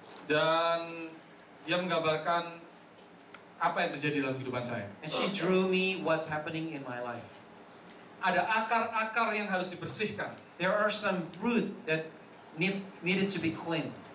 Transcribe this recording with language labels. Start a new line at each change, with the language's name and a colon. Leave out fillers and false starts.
Indonesian: Dan dia menggambarkan apa yang terjadi dalam kehidupan saya.
English: And she drew me what's happening in my life.
Indonesian: Ada akar-akar yang harus dibersihkan.
English: There are some root that needed to be cleaned.